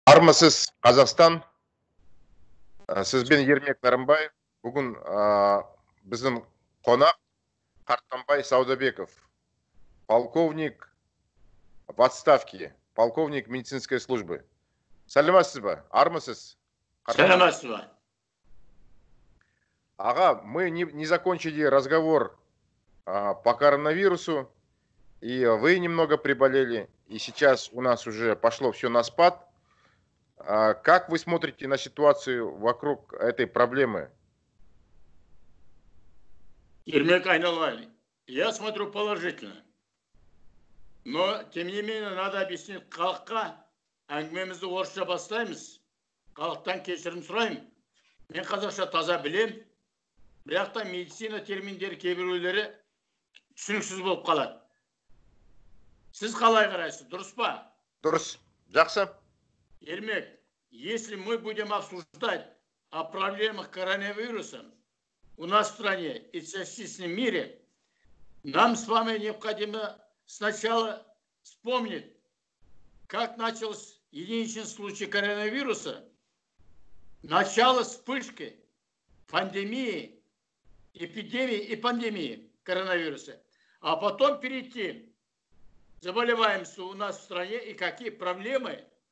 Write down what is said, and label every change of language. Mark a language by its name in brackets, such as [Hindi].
[Kazakh] Армысыз, Қазақстан, сізбен Ермек Нарымбай, бүгін біздің қонақ Қартанбай Саудабеков, [Russian] полковник в отставке, полковник медицинской службы. [Kazakh] Сәлеметсіз бе? Армысыз? Сәлеметсіз бе? [Russian] Ага, мы не закончили разговор по коронавирусу, и вы немного приболели, и сейчас у нас уже пошло все на спад. Как вы смотрите на ситуацию вокруг этой проблемы? Ермек Айналай, я смотрю положительно. Но, тем не менее, надо объяснить [Kazakh] халыққа. Әңгімемізді орысша бастаймыз. Халықтан кешірім сұрайым. Мен қазақша таза білем. Бірақ та медицина терминдері кейбіреулері түсініксіз болып қалады. Сіз қалай қарайсыз, дұрыс па? Дұрыс. Жақсы. [Russian] Ермек, если мы будем обсуждать о проблемах коронавируса у нас в стране и в частичном мире, нам с вами необходимо сначала вспомнить, как начался единичный случай коронавируса, начало вспышки пандемии, эпидемии и пандемии коронавируса, а потом перейти к заболеваемости у нас в стране и какие проблемы.